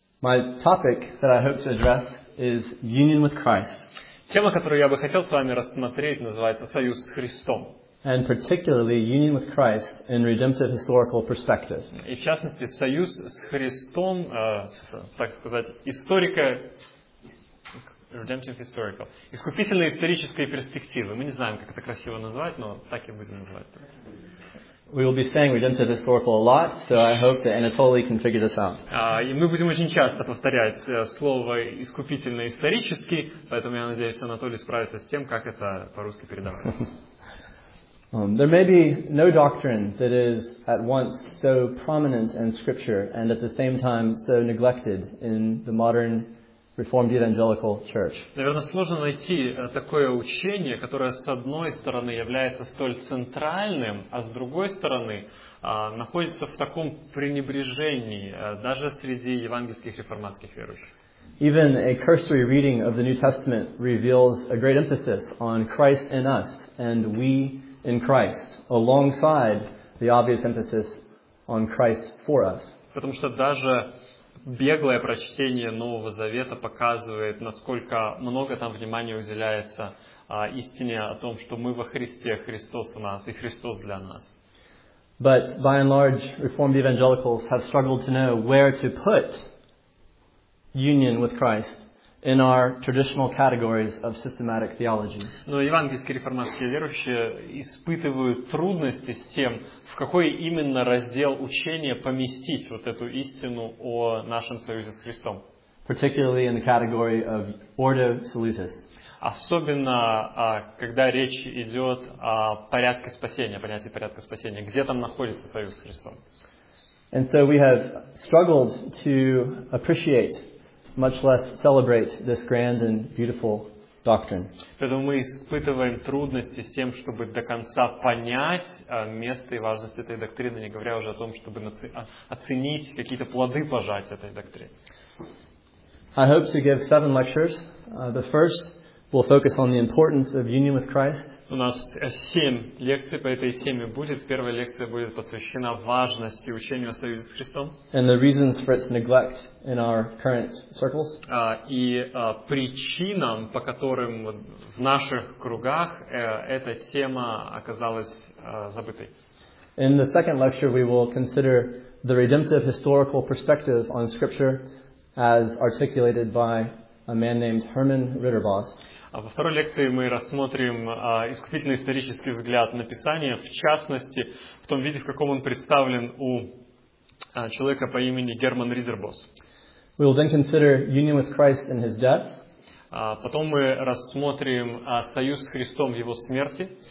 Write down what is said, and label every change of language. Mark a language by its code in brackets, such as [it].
[en] My topic that I hope to address is union with Christ. [ru] Тема, которую я бы хотел с вами рассмотреть, называется «Союз с Христом». [en] And particularly union with Christ in redemptive historical perspective. [ru] И в частности, союз с Христом, так сказать, историка, [en] redemptive historical, [ru] искупительной исторической перспективы. Мы не знаем, как это красиво назвать, но так и будем называть. [en] We will be saying redemptive historical a lot, so I hope that Anatoly can figure this out. [ru] И мы будем очень часто повторять слово искупительно исторический, поэтому я надеюсь, что Анатолий справится с тем, как это по-русски передавать. [en] There may be no doctrine that is at once so prominent in Scripture and at the same time so neglected in the modern Reformed Evangelical Church. [ru] Наверное, сложно найти такое учение, которое с одной стороны является столь центральным, а с другой стороны находится в таком пренебрежении даже среди евангельских реформатских верующих. [en] Even a cursory reading of the New Testament reveals a great emphasis on Christ in us and we in Christ, alongside the obvious emphasis on Christ for us. [ru] Потому что даже беглое прочтение Нового Завета показывает, насколько много там внимания уделяется истине о том, что мы во Христе, Христос у нас и Христос для нас. [en] But by and large, Reformed Evangelicals have struggled to know where to put union with Christ in our traditional categories of systematic theology. [ru] Но евангельские реформатские верующие испытывают трудности с тем, в какой именно раздел учения поместить вот эту истину о нашем союзе с Христом. [en] Particularly in the category of ordo salutis. [ru] Особенно, когда речь идет о порядке спасения, понятии порядка спасения. Где там находится союз с Христом? [en] And so we have struggled to appreciate, much less celebrate, this grand and beautiful doctrine. [ru] Поэтому мы испытываем трудности с тем, чтобы до конца понять место и важность этой доктрины, не говоря уже о том, чтобы оценить какие-то плоды пожать этой доктрины. [en] I hope to give 7 lectures. The first will focus on the importance of union with Christ. [ru] У нас 7 лекций по этой теме будет. Первая лекция будет посвящена важности учения о союзе с Христом. [en] And the reasons for its neglect in our current circles. [ru] Причинам, по которым в наших кругах эта тема оказалась забытой. [en] In the second lecture we will consider the redemptive historical perspective on Scripture as articulated by a man named Hermann Ritterboss. [ru] А во второй лекции мы рассмотрим искупительный исторический взгляд на Писание, в частности, в том виде, в каком он представлен у человека по имени Герман Ритербос. [en] We will then consider union with Christ in his death. [ru] Потом мы рассмотрим союз с Христом в его смерти.